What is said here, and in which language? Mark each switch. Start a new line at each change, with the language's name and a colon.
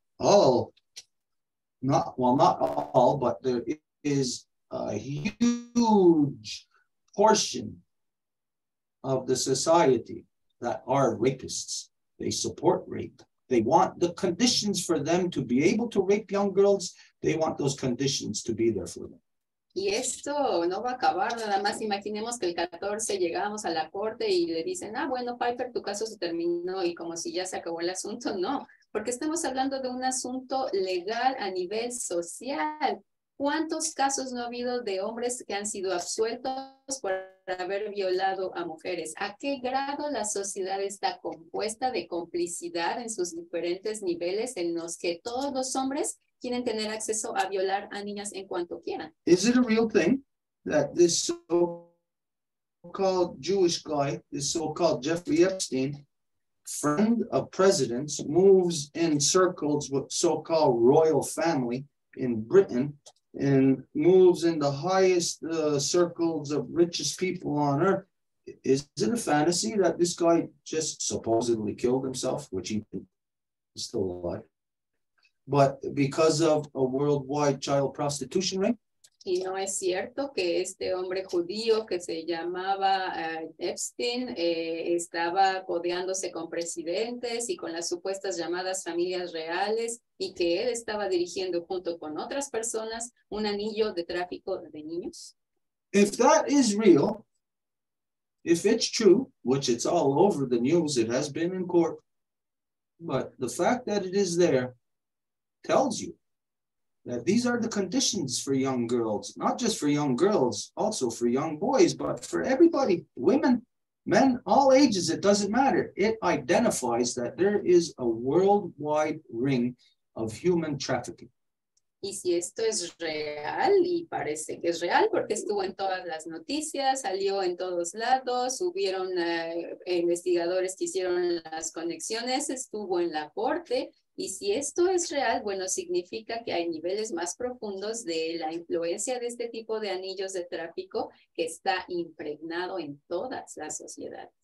English: All, not, well, not all, but there is a huge portion of the society that are rapists. They support rape. They want the conditions for them to be able to rape young girls. They want those conditions to be there for them.
Spanish: Y esto no va a acabar, nada más imaginemos que el 14 llegamos a la corte y le dicen, ah, bueno, Piper, tu caso se terminó, y como si ya se acabó el asunto. No, porque estamos hablando de un asunto legal a nivel social. ¿Cuántos casos no ha habido de hombres que han sido absueltos por haber violado a mujeres? ¿A qué grado la sociedad está compuesta de complicidad en sus diferentes niveles en los que todos los hombres quieren tener acceso a violar a niñas en cuanto quieran?
English: Is it a real thing that this so-called Jewish guy, this so-called Jeffrey Epstein, friend of presidents, moves in circles with so-called royal family in Britain, and moves in the highest circles of richest people on earth? Is it a fantasy that this guy just supposedly killed himself, which he is still alive, but because of a worldwide child prostitution ring?
Spanish: Y no es cierto que este hombre judío que se llamaba Epstein estaba codeándose con presidentes y con las supuestas llamadas familias reales, y que él estaba dirigiendo junto con otras personas un anillo de tráfico de niños.
English: If that is real, if it's true, which it's all over the news, it has been in court, but the fact that it is there tells you that these are the conditions for young girls, not just for young girls, also for young boys, but for everybody, women, men, all ages, it doesn't matter. It identifies that there is a worldwide ring of human trafficking.
Spanish: Y si esto es real, y parece que es real, porque estuvo en todas las noticias, salió en todos lados, hubieron investigadores que hicieron las conexiones, estuvo en la corte. Y si esto es real, bueno, significa que hay niveles más profundos de la influencia de este tipo de anillos de tráfico que está impregnado en todas las sociedades.